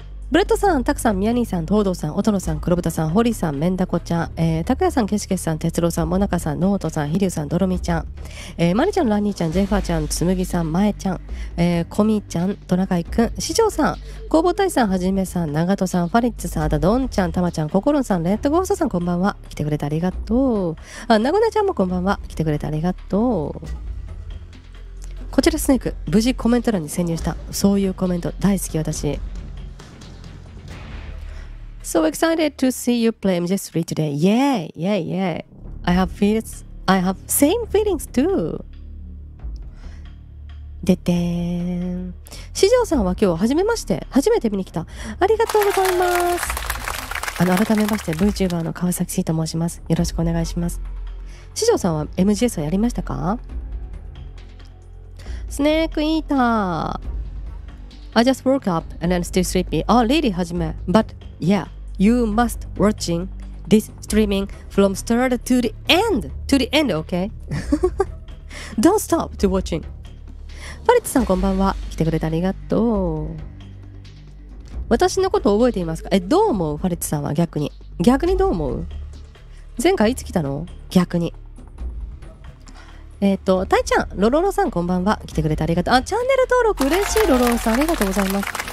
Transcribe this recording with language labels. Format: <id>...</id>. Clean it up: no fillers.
<ja>ブレッドさん、タクさん、ミヤニーさん、トードさん、オトロさん、黒豚さん、ホリさん、メンダコちゃん、タクヤさん、ケシケシさん、テツロさん、モナカさん、ノートさん、ヒリュウさん、ドロミちゃん、マリちゃん、ランニーちゃん、ジェファーちゃん、つむぎさん、マエちゃん、コミちゃん、トナカイくん、市長さん、工房大さん、はじめさん、長戸さん、ファリッツさん、アダドンちゃん、タマちゃん、ココロンさん、レッドゴーストさん、こんばんは。来てくれてありがとう。あ、ナゴナちゃんもこんばんは。来てくれてありがとう。こちらスネーク無事コメント欄に潜入した、そういうコメント大好き私。</ja> <en>So excited to see you play MJ3 today. Yay! Yay! Yay! I have feelings. I have same feelings too.</en> <ja>でてーん。四条さんは今日初めまして。初めて見に来た。ありがとうございます。改めまして VTuber の川崎シーと申します。よろしくお願いします。四条さんは MGS はやりましたか？スネークイーター。</ja> <en>I just woke up and I'm still sleepy. Oh, really? はじめ。But... Yeah, you must watching this streaming from start to the end. To the end, okay? Don't stop to watching.</en> <ja>ファリッツさん、こんばんは。来てくれてありがとう。私のこと覚えていますか？どう思う？ファリッツさんは逆に。逆にどう思う？前回いつ来たの？逆に。タイちゃん、ロロロさん、こんばんは。来てくれてありがとう。あ、チャンネル登録嬉しい、ロロロさん。ありがとうございます。</ja>